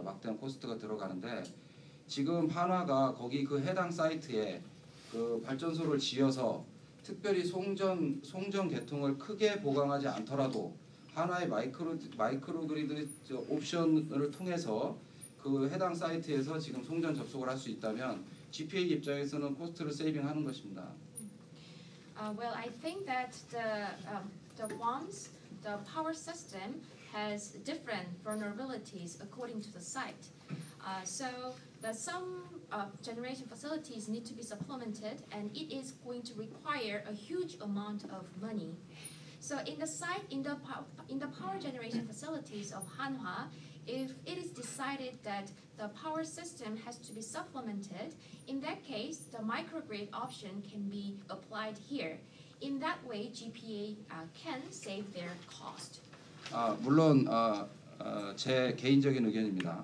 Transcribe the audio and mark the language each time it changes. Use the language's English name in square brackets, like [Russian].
[Korean] 막대한 코스트가 들어가는데 지금 한화가 거기 그 해당 사이트에 그 발전소를 지어서 특별히 송전 계통을 크게 보강하지 않더라도 하나의 마이크로그리드 옵션을 통해서 그 해당 사이트에서 지금 송전 접속을 할 수 있다면 GPA 입장에서는 코스트를 세이빙하는 것입니다. [English] Well, I think that the WAMS, the power system, has different vulnerabilities according to the site. So that some generation facilities need to be supplemented, and it is going to require a huge amount of money. So in the power generation facilities of Hanwha, if it is decided that the power system has to be supplemented, in that case, the microgrid option can be applied here. In that way, GPA can save their cost. [Korean] 아, 물론 제 개인적인 의견입니다.